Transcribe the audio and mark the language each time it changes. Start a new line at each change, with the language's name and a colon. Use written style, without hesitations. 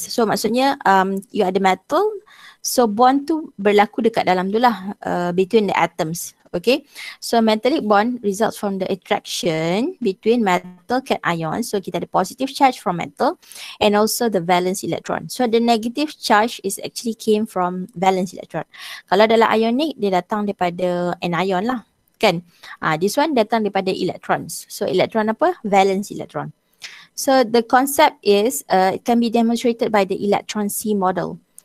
Malay: So maksudnya you ada metal, so bond tu berlaku dekat dalam tu lah,
English: between the atoms. Okay, so metallic bond results from the attraction between metal cation. So kita ada positive charge from metal and also the valence electron. So the negative charge is actually came from valence electron.
Malay: Kalau dalam ionic, dia datang daripada anion lah.
English: Kan? This one
Malay: datang daripada
English: electrons. So electron apa? Valence electron. So the concept is it can be demonstrated by the electron C model.